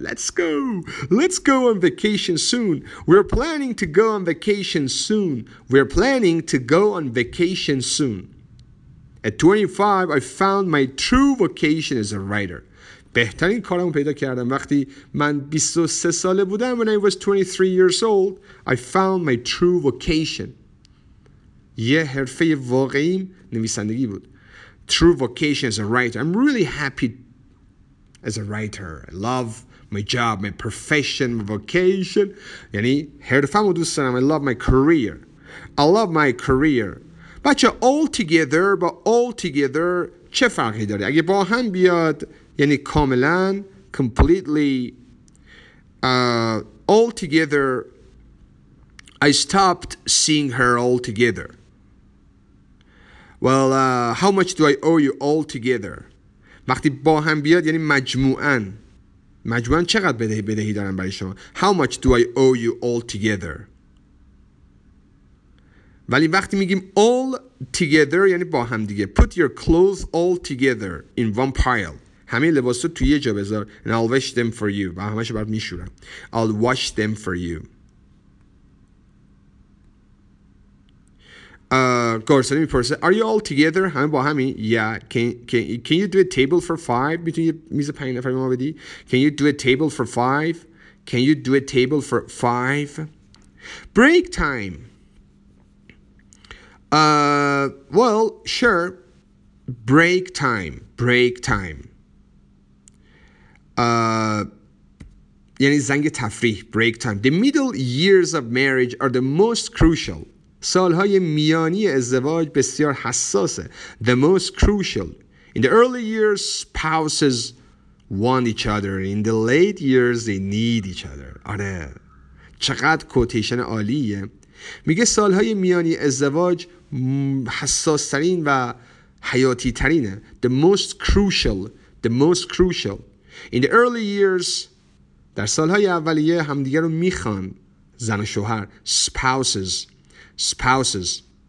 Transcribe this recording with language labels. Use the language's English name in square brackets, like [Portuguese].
[English] Let's go. Let's go on vacation soon. We're planning to go on vacation soon. We're planning to go on vacation soon. At 25, I found my true vocation as a writer. [Persian] بهترین کارمو پیدا کردم وقتی من 23 ساله بودم. [English] When I was 23 years old, I found my true vocation. [Persian] یه حرفه واقعیم نویسندگی بود. [English] True vocation as a writer. I'm really happy as a writer. I love my job, my profession, my vocation. [Persian] یعنی حرفه‌مو دوست دارم. [English] I love my career. I love my career. [Persian] بچه all together با all together چه فرقی داره؟ اگه با هم بیاد یعنی کاملا completely all together. [English] I stopped seeing her all together. Well, how much do I owe you all together? [Persian] وقتی با هم بیاد یعنی مجموعاً چقدر بدهی دارم برای شما؟ [English] How much do I owe you all together? [Persian] ولی وقتی میگیم all together یعنی با هم دیگه. [English] Put your clothes all together in one pile. [Persian] همه لباسات توی یه جا بذار. [English] And I'll wash them for you. [Persian] و همه شو برات میشورم. [English] I'll wash them for you. [Persian] گارسنه میپرسه [English] Are you all together? [Persian] همه با همین [English] Yeah. Can you do a table for five? [Persian] میتونی میز پنج نفر ما بدی [English] Can you do a table for five? Can you do a table for five? Break time. Well, sure. Break time. Break time. [Persian] یعنی زنگ تفریح. [English] Break time. The middle years of marriage are the most crucial. [Persian] سالهای میانی ازدواج بسیار حساسه. [English] The most crucial. In the early years, spouses want each other. In the late years, they need each other. [Persian] آره. چقدر کوتیشن عالیه. میگه سالهای میانی ازدواج حساسترین و حیاتی ترینه. [English] The most crucial. The most crucial. In the early years, [Persian] در سالهای اولیه همدیگر رو میخوان. زن و شوهر. Spouses. Spouses.